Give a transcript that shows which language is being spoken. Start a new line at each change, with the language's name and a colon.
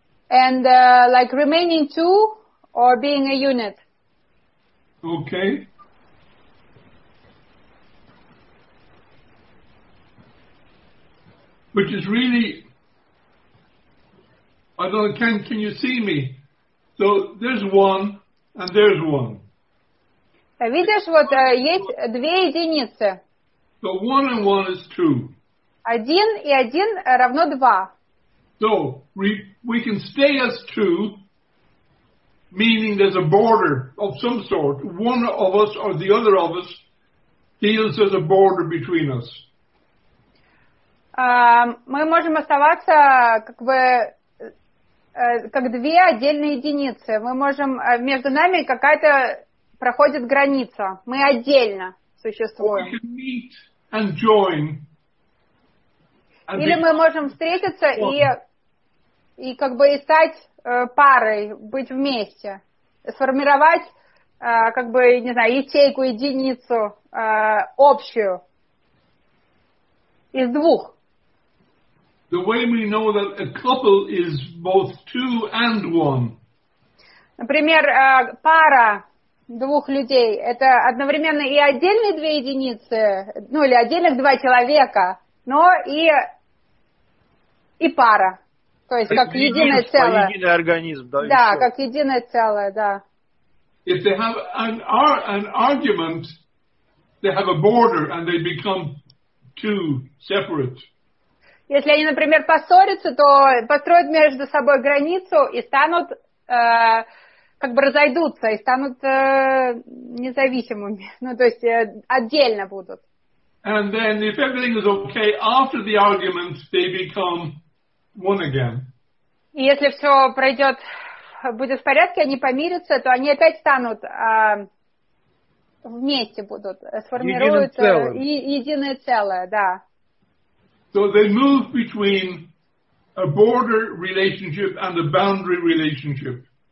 English: And like remaining two or being a unit. Okay. Which is really, I don't know, can you see me? So there's one and there's one.
Russian: Видишь, вот есть две единицы.
English: So one and one is two.
Russian: Один и один равно два.
English: So we can stay as two, meaning there's a border of some sort. One of us or the other of us feels there's a border between us.
Russian: Мы можем оставаться как бы как две отдельные единицы. Мы можем между нами какая-то проходит граница. Мы отдельно существуем.
English: We can meet and join.
Russian: Или мы можем встретиться и как бы и стать парой, быть вместе, сформировать как бы, не знаю, ячейку, единицу общую из двух.
English: The way we know that a couple is both two and one.
Russian: Например, пара двух людей, это одновременно и отдельные две единицы, ну или отдельных два человека, но и пара. То есть как единое целое. Единый организм, да. Да, как единое целое, да.
English: If they have an argument, they have a border and they become two separate.
Russian: Если они, например, поссорятся, то построят между собой границу и станут как бы разойдутся и станут независимыми. Ну, то есть отдельно будут.
English: And then if everything is okay after the argument, they become one again.
Russian: И если все пройдет, будет в порядке, они помирятся, то они опять станут вместе будут, сформируются единое целое, да.
English: So they move between a border relationship and a boundary relationship.